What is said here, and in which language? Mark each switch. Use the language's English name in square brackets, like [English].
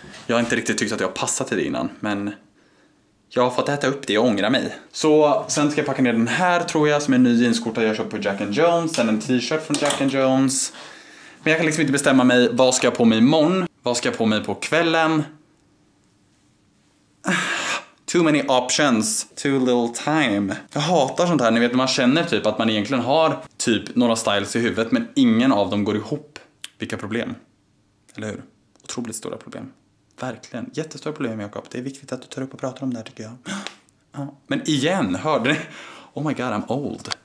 [Swedish] Jag har inte riktigt tyckt att jag passat till det innan, men jag har fått äta upp det och ångra mig. Så sen ska jag packa ner den här tror jag, som är en ny jeanskorta jag köpt på Jack & Jones, sen en t-shirt från Jack & Jones. Men jag kan liksom inte bestämma mig, vad ska jag på mig imorgon? Vad ska jag på mig på kvällen? [English] Too many options, too little time. [Swedish] Jag hatar sånt här, ni vet när man känner typ att man egentligen har typ några styles i huvudet men ingen av dem går ihop. Vilka problem, eller hur? Otroligt stora problem. Verkligen, jättestora problem Jakob. Det är viktigt att du tar upp och pratar om det här tycker jag. Men igen, hörde ni? [English] Oh my god, I'm old.